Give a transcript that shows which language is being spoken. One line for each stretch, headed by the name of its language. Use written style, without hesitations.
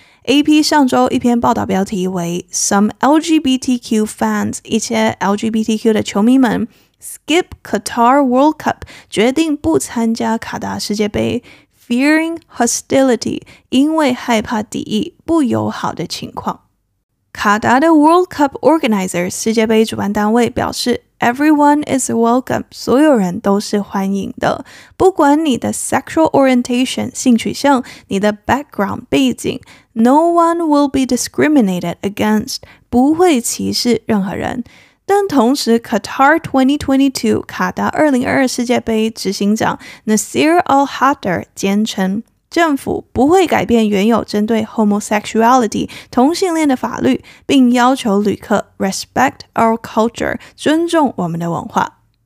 Chinese: AP 上周一篇报道标题为
English: Some LGBTQ fans
Chinese: 一些 LGBTQ 的球迷们
English: Skip Qatar World Cup
Chinese: 决定不参加卡达世界杯
English: Fearing hostility
Chinese: 因为害怕敌意不友好的情况。卡达的
English: World Cup Organizer
Chinese: 世界杯主办单位表示
English: Everyone is welcome,
Chinese: 所有人都是欢迎的。不管你的
English: sexual orientation,
Chinese: 性取向，你的 background, 背景 ,
English: no one will be discriminated against,
Chinese: 不会歧视任何人。但同时 ,Qatar 2022, 卡达2022世界杯执行长 Nasir Al-Hadar 坚称政府不会改变原有针对 homosexuality 同性恋的法律，并要求旅客
English: respect our culture
Chinese: 尊重我们的文化。